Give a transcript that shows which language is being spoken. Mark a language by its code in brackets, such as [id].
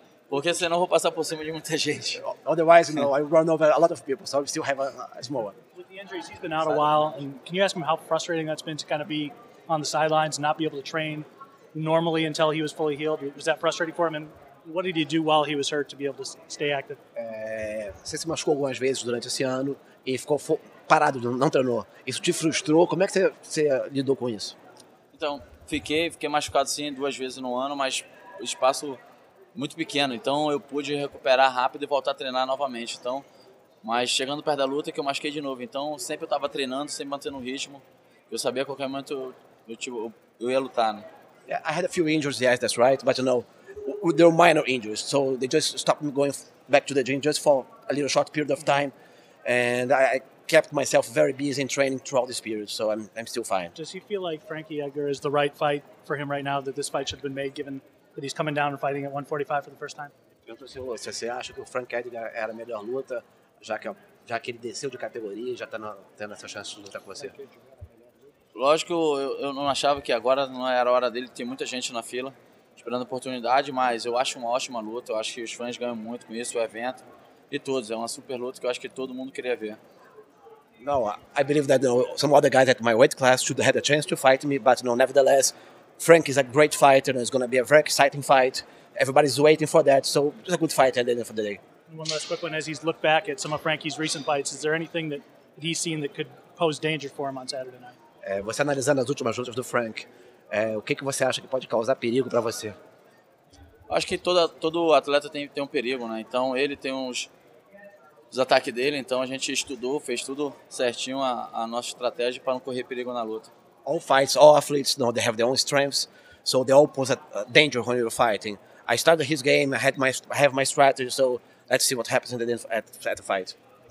[pt] Porque senão eu vou passar por cima de muita gente. [en] Otherwise, you know, I run over a lot of people, so I still have a small one. With the injuries, he's been out a while. And can you ask him how frustrating that's been to kind of be on the sidelines and not be able to train normally until he was fully healed? Was that frustrating for him? And what did he do while he was hurt to be able to stay active? [pt] Você se machucou algumas vezes durante esse ano e ficou parado, não treinou. Isso te frustrou? Como é que você lidou com isso? Então, fiquei machucado sim duas vezes no ano, mas o espaço muito pequeno, então eu pude recuperar rápido e voltar a treinar novamente. Então, mas chegando perto da luta, que eu machuquei de novo. Então, sempre eu estava treinando, sempre mantendo o ritmo. Eu sabia que a qualquer momento eu ia lutar, né? [en] Yeah, I had a few injuries, yes, that's right. But, you know, they were minor injuries. So, they just stopped me going back to the gym just for a little short period of time. And I kept myself very busy in training throughout this period, so I'm still fine. Does he feel like Frankie Edgar is the right fight for him right now, that this fight should have been made, given that he's coming down and fighting at 145 for the first time? [pt] Se você acha que o Frank Edgar era a melhor luta, já que ele desceu de categoria e já está tendo essa chance de lutar com você? Lógico, eu não achava que agora não era a hora dele. Tem muita gente na fila esperando a oportunidade, mas eu acho uma ótima luta. Eu acho que os fãs ganham muito com isso, o evento e todos. É uma super luta que eu acho que todo mundo queria ver. [en] No, I believe that some other guys at my weight class should have had a chance to fight me, but no, nevertheless, Frank is a great fighter and it's going to be a very exciting fight. Everybody's waiting for that, so it's a good fight at the end of the day. One last quick one. As he's looked back at some of Frankie's recent fights, is there anything that he's seen that could pose danger for him on Saturday night? [pt] Você analisando as últimas lutas do Frank, o que você acha que pode causar perigo para você? Acho que todo atleta tem um perigo, né? Então ele tem os ataques dele, então a gente estudou, fez tudo certinho a nossa estratégia para não correr perigo na luta. [en] All fights, all athletes, no, they have their own strengths, so they all pose a danger when you're fighting. I started his game, I have my strategy, so let's see what happens at the fight.